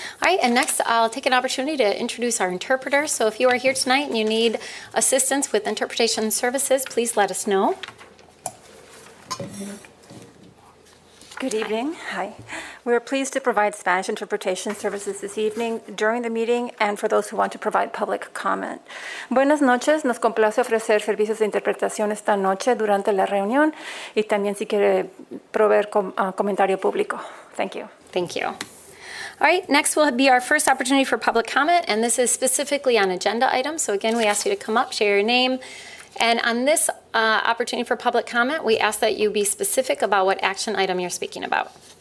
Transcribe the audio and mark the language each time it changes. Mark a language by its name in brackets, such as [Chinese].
[English] All right, and next I'll take an opportunity to introduce our interpreter. So if you are here tonight and you need assistance with interpretation services, please let us know. Good evening. Hi. We're pleased to provide Spanish interpretation services this evening during the meeting and for those who want to provide public comment. [Spanish] Buenas noches. Nos complace ofrecer servicios de interpretación esta noche durante la reunión y también si quiere proveer comentario público. [English] Thank you. Thank you. All right, next will be our first opportunity for public comment, and this is specifically on agenda items. So again, we ask you to come up, share your name. And on this opportunity for public comment, we ask that you be specific about what action item you're speaking about.